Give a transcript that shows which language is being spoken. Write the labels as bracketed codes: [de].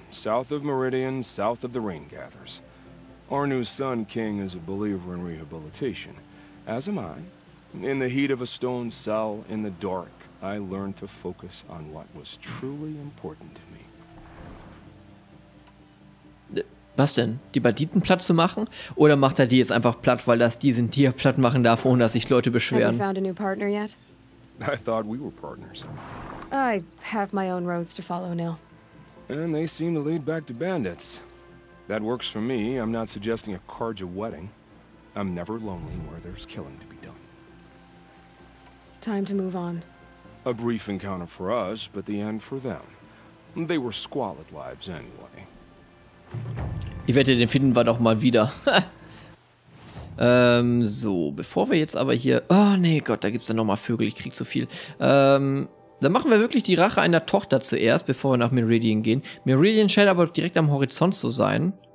[en] South of Meridian, south of the Rain Gathers. Our new Sun King is a believer in rehabilitation. As am I. In the heat of a stone cell, in the dark, I learned to focus on what was truly important to me. [de] Was denn? Die Banditen platt zu machen? Oder macht er die jetzt einfach platt, weil das die sind, die er platt machen darf, ohne dass sich Leute beschweren? [en] Have you found a new partner yet? I thought we were partners. I have my own roads to follow, Nil. And they seem to lead back to bandits. That works for me. I'm not suggesting a Karja wedding. I'm never lonely where there's killing to be done. Time to move on. A brief encounter for us, but the end for them. They were squalid lives anyway. [de] Ich wette, den finden wir doch mal wieder. So, bevor wir jetzt aber hier... Oh, nee, Gott, da gibt's dann nochmal Vögel, ich krieg zu viel. Dann machen wir wirklich die Rache einer Tochter zuerst, bevor wir nach Meridian gehen. Meridian scheint aber direkt am Horizont zu sein.